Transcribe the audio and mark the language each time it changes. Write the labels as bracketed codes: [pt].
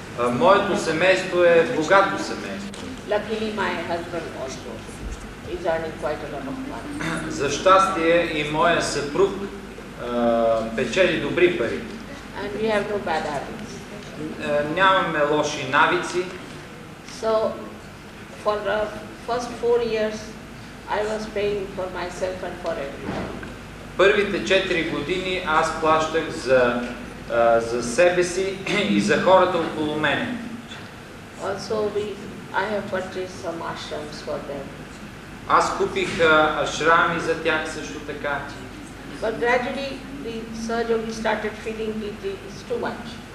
[bg] Моето семейство е богато семейство. [en] Luckily, my husband also is earning quite a lot of money. [bg] За щастие и моя съпруг печели добри пари. [en] And we have no bad habits. [bg] Нямаме лоши навици. [en] So for the first four years I was paying for myself and for everyone. [bg] Първите 4 години аз плащах за, за себе си и за хората около мен. [en] Also we, I have purchased some ashrams for them. [bg] Аз купих ашрами за тях също така. [en] But gradually the surgery started feeling it is too much.